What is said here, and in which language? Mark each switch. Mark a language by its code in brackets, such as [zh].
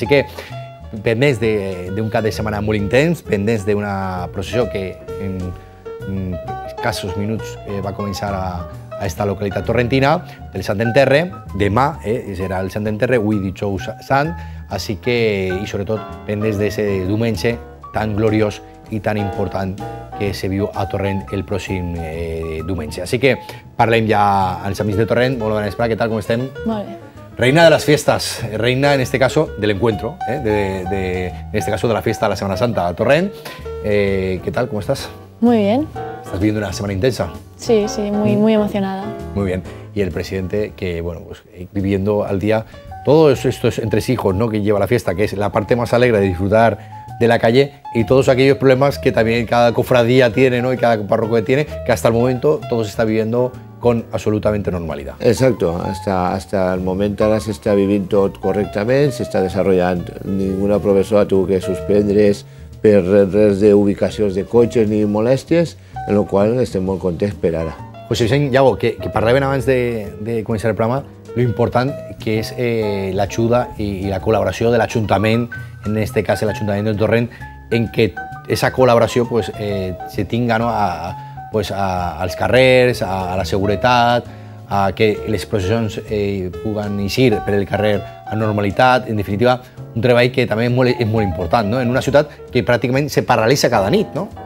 [ca] Així que, pendents d'un cap de setmana molt intens, pendents d'una processó que en escassos minuts va començar a aquesta localitat torrentina, del Sant Enterre, demà serà el Sant Enterre, avui dijous sant, així que, i sobretot, pendents d'aquest diumenge tan gloriós i tan important que se viu a Torrent el pròxim diumenge. Així que parlem ja amb els amics de Torrent. Molt bona vesprada, què tal, com estem? Molt bé. [es] Reina de las fiestas, reina en este caso del encuentro, en este caso de la fiesta de la Semana Santa, Torrent. ¿Qué tal? ¿Cómo estás? Muy bien. ¿Estás viviendo una semana intensa? Sí, sí, muy, muy emocionada. Muy bien. Y el presidente que, bueno, pues viviendo al día todos estos entresijos, ¿no?, que lleva la fiesta, que es la parte más alegre de disfrutar de la calle y todos aquellos problemas que también cada cofradía tiene, ¿no?, y cada párroco que tiene, que hasta el momento todo se está viviendo con absolutamente normalidad. [ca] Exacto, hasta el moment ara s'està vivint tot correctament, s'està desenvolupant, ninguna professora ha hagut de suspendre's per res d'ubicacions de cotxes ni molèsties, en la qual cosa estem molt contents per ara. José Vicent, Iago, que parlàvem abans de començar el programa, lo important que és l'ajuda i la col·laboració de l'Ajuntament, en este cas l'Ajuntament del Torrent, en que esa col·laboració se tinga als carrers, a la seguretat, a que les processions puguen eixir per el carrer a normalitat, en definitiva, un treball que també és molt important, no?, en una ciutat que pràcticament se paralitza cada nit, no?